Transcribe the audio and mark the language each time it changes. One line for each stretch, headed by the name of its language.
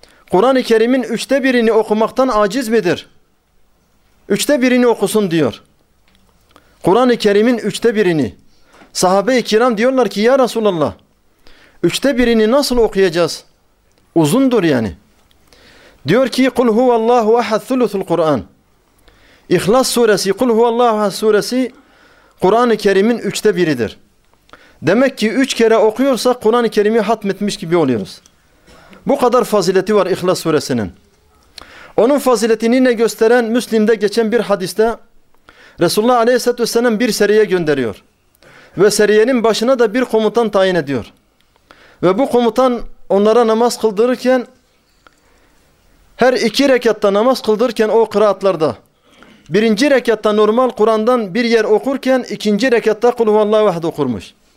Turkish: Kur'an-ı Kerim'in üçte birini okumaktan aciz midir? Üçte birini okusun diyor. Kur'an-ı Kerim'in üçte birini. Sahabe-i kiram diyorlar ki ya Resulallah, üçte birini nasıl okuyacağız? Uzundur yani. Diyor ki
Arabic: قُلْ هُوَ اللّٰهُ وَحَدْ ثُلُثُ الْقُرْآنِ
Turkish: İhlas suresi, قُلْ هُوَ اللّٰهُ وَحَدْ suresi Kur'an-ı Kerim'in üçte biridir. Demek ki üç kere okuyorsak Kur'an-ı Kerim'i hatmetmiş gibi oluyoruz. Bu kadar fazileti var İhlas suresinin. Onun faziletini ne gösteren Müslim'de geçen bir hadiste Resulullah Aleyhisselatü Vesselam bir seriye gönderiyor. Ve seriyenin başına da bir komutan tayin ediyor. Ve bu komutan onlara namaz kıldırırken her iki rekatta namaz kıldırırken o kıraatlarda birinci rekatta normal Kur'an'dan bir yer okurken ikinci rekatta قُلْ هُوَ اللّٰهُ وَحَدْ okurmuş.